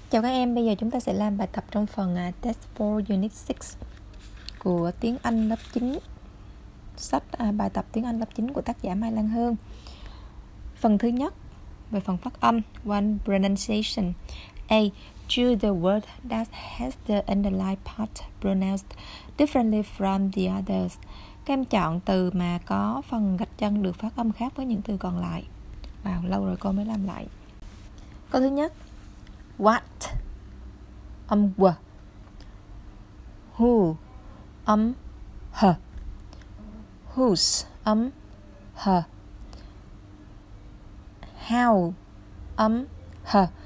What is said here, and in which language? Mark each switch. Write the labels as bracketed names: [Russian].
[Vietnamese] Chào các em, bây giờ chúng ta sẽ làm bài tập trong phần [English] test for unit 6 [Vietnamese] của tiếng Anh lớp 9, sách bài tập tiếng Anh lớp 9 của tác giả Mai Lan Hương. Phần thứ nhất về phần phát âm, [English] one pronunciation. A. Choose the word that has the underlined part pronounced differently from the others. [Vietnamese] Các em chọn từ mà có phần gạch chân được phát âm khác với những từ còn lại. Wow, lâu rồi cô mới làm lại. Câu thứ nhất, what, âm w, who, âm h, whose, âm h, how, âm h.